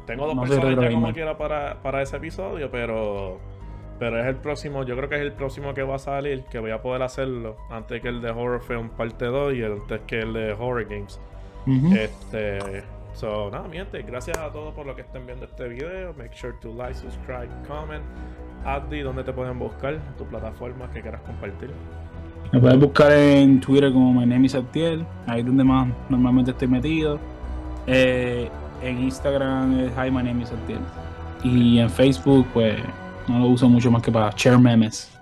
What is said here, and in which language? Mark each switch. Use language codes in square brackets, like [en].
[es] Tengo dos no personas ya gamer. Como quiera para ese episodio, pero es el próximo. Yo creo que es el próximo que va a salir, que voy a poder hacerlo antes que el de Horror Film parte 2 y antes que el de Horror Games. Uh-huh. So, nada, mi gente, gracias a todos por lo que estén viendo este video. [en] Make sure to like, subscribe, comment. [es] Addy, ¿dónde te pueden buscar? Tu plataforma que quieras compartir. Me puedes buscar en Twitter como My Name is Addiel. Ahí es donde más normalmente estoy metido. En Instagram es Hi, My Name is Addiel. Y en Facebook, pues, no lo uso mucho más que para [en] share memes.